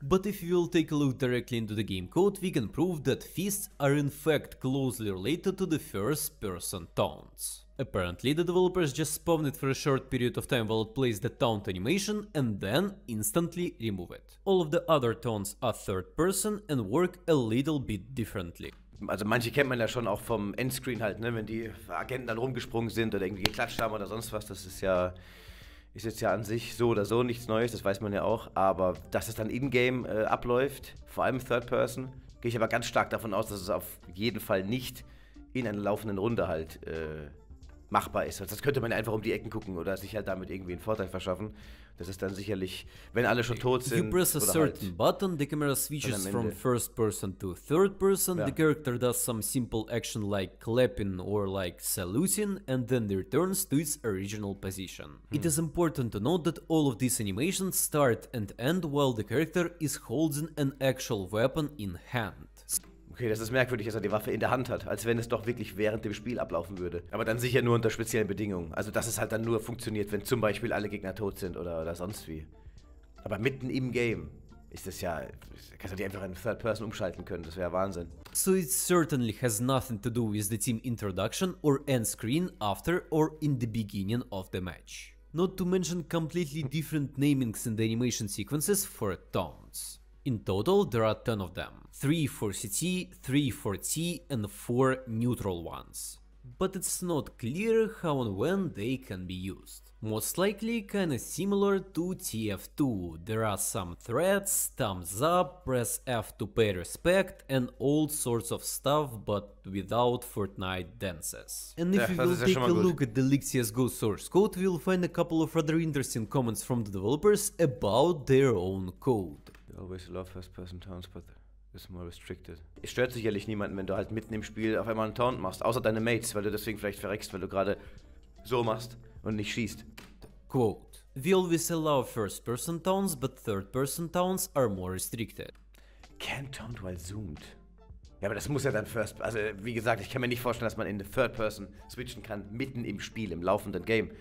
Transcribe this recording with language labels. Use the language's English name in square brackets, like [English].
[English] But if you will take a look directly into the game code, we can prove that fists are in fact closely related to the first-person taunts. Apparently, the developers just spawn it for a short period of time while it plays the taunt animation and then instantly remove it. All of the other taunts are third person and work a little bit differently. [German] Also manche kennt man ja schon auch vom Endscreen halt, ne? Wenn die Agenten dann rumgesprungen sind oder irgendwie geklatscht haben oder sonst was, das ist ja, ist jetzt ja an sich so oder so nichts Neues, das weiß man ja auch, aber dass es dann in-game abläuft, vor allem third person, gehe ich aber ganz stark davon aus, dass es auf jeden Fall nicht in einer laufenden Runde halt machbar ist. Das könnte man einfach um die Ecken gucken oder sich halt damit irgendwie einen Vorteil verschaffen. Das ist dann sicherlich, wenn alle schon tot sind. [English] You press a certain button, the camera switches from first person to third person, ja. The character does some simple action like clapping or like saluting and then returns to its original position. Hm. It is important to note that all of these animations start and end while the character is holding an actual weapon in hand. [German] Okay, das ist merkwürdig, dass er die Waffe in der Hand hat, als wenn es doch wirklich während dem Spiel ablaufen würde. Aber dann sicher nur unter speziellen Bedingungen. Also dass es halt dann nur funktioniert, wenn zum Beispiel alle Gegner tot sind oder sonst wie. Aber mitten im Game ist das ja, kannst du die einfach in Third Person umschalten können, das wäre ja Wahnsinn. [English] So it certainly has nothing to do with the team introduction or end screen after or in the beginning of the match. Not to mention completely different namings in the animation sequences for taunts. In total, there are 10 of them. 3 for CT, 3 for T, and 4 neutral ones. But it's not clear how and when they can be used. Most likely, kinda similar to TF2. There are some threats, thumbs up, press F to pay respect, and all sorts of stuff, but without Fortnite dances. And if you will take a look at the leaked CSGO source code, we'll find a couple of other interesting comments from the developers about their own code. Always love first person taunts, but it's more restricted. [German] Es stört sicherlich niemanden, wenn du halt mitten im Spiel auf einmal einen Taunt machst, außer deine Mates, weil du deswegen vielleicht verreckst, weil du gerade so machst und nicht schießt. [English] Quote: We always allow first person taunts, but third person taunts are more restricted. Can't taunt while zoomed. [German] Ja, aber das muss ja dann first, also wie gesagt, ich kann mir nicht vorstellen, dass man in the third person switchen kann, mitten im Spiel, im laufenden Game.